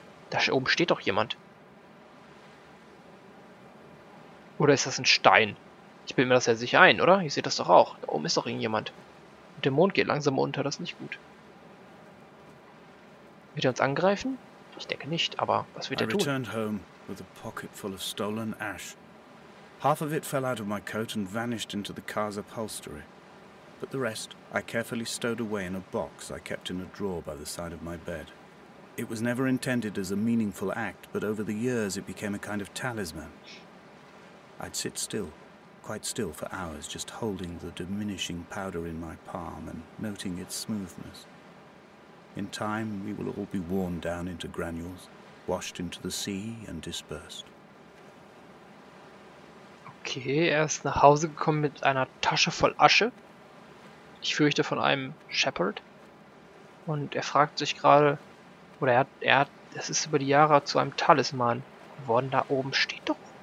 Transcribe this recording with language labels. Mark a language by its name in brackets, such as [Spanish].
[German] Da oben steht doch jemand. Oder ist das ein Stein? Ich bilde mir das ja sicher ein, oder? Ich sehe das doch auch. Da oben ist doch irgendjemand. Und der Mond geht langsam unter, das ist nicht gut. Wird er uns angreifen? Ich denke nicht, aber was wird er tun? [English] I returned home with a pocket full of stolen ash. Half of it fell out of my coat and vanished into the car's upholstery. But the rest I carefully stowed away in a box I kept in a drawer by the side of my bed. It was never intended as a meaningful act, but over the years it became a kind of talisman. I'd sit still, quite still for hours, just holding the diminishing powder in my palm and noting its smoothness. In time, we will all be worn down into granules, washed into the sea and dispersed. [German] Okay, er ist nach Hause gekommen mit einer Tasche voll Asche. Ich fürchte von einem Shepherd. Und er fragt sich gerade, oder es ist über die Jahre zu einem Talisman geworden. Da oben steht doch.